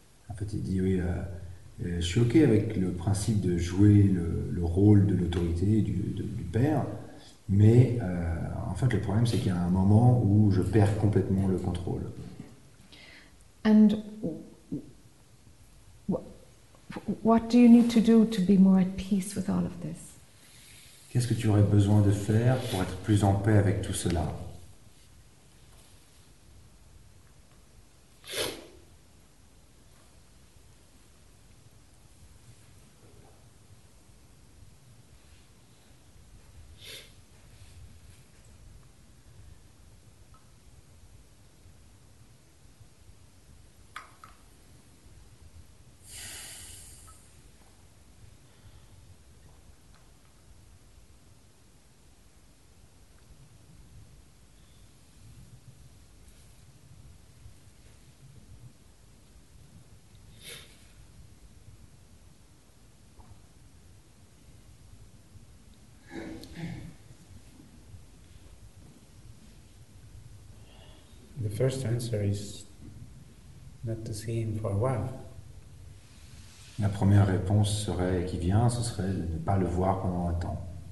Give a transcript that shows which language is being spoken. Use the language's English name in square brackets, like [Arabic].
[French] En fait, il dit oui, je suis ok avec le principe de jouer le rôle de l'autorité du père, mais en fait, le problème c'est qu'il y a un moment où je perds complètement le contrôle. [English] And what do you need to do to be more at peace with all of this? [French] Qu'est-ce que tu aurais besoin de faire pour être plus en paix avec tout cela? [English] first answer is not to see him for a while. [French] La première réponse serait qui vient, ce serait de ne pas le voir pendant un temps.